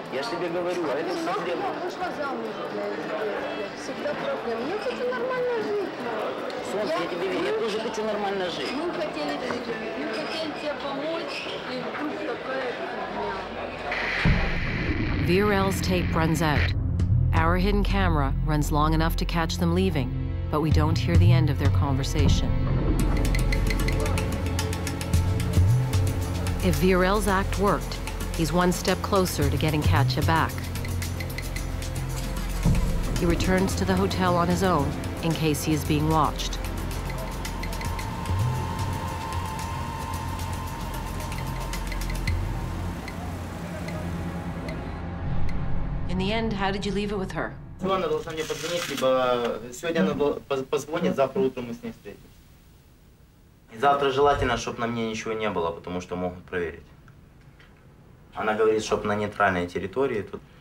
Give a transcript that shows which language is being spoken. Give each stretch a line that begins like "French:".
Russian: Я ж тебе говорю, а это проблема. Я вышла замуж, блядь, всегда проблема. Мне хочу нормально жить. Но. Солнце, я тебе верю, я тоже хочу нормально жить. Мы хотели жить, мы хотели тебе помочь, и вдруг такая проблема.
English: VRL's tape runs out. Our hidden camera runs long enough to catch them leaving, but we don't hear the end of their conversation. If VRL's act worked, he's one step closer to getting Katya back. He returns to the hotel on his own in case he is being watched. In the end, how did you leave it with her?
Russian: Сегодня должна мне позвонить, либо сегодня она позвонит, завтра утром мы с ней встретимся. И завтра желательно, чтобы на мне ничего не было, потому что могут проверить. Она говорит, чтобы на нейтральной территории тут.